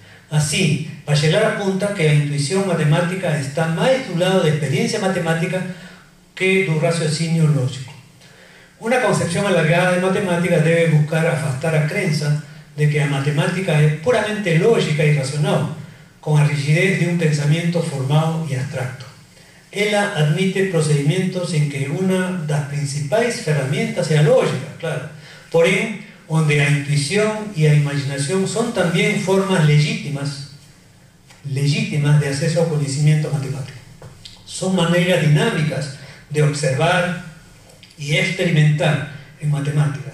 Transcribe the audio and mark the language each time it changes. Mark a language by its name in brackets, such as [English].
[Portuguese] Assim, Bachelard apunta que a intuição matemática está mais do lado da experiência matemática que do raciocínio lógico. [Spanish] Una concepción alargada de matemática debe buscar afastar la creencia de que la matemática es puramente lógica y racional, con la rigidez de un pensamiento formado y abstracto. [Portuguese] ela admite procedimentos em que uma das principais ferramentas é a lógica, claro. Porém, onde a intuição e a imaginação são também formas legítimas de acesso ao conhecimento matemático. São maneiras dinâmicas de observar e experimentar em matemática.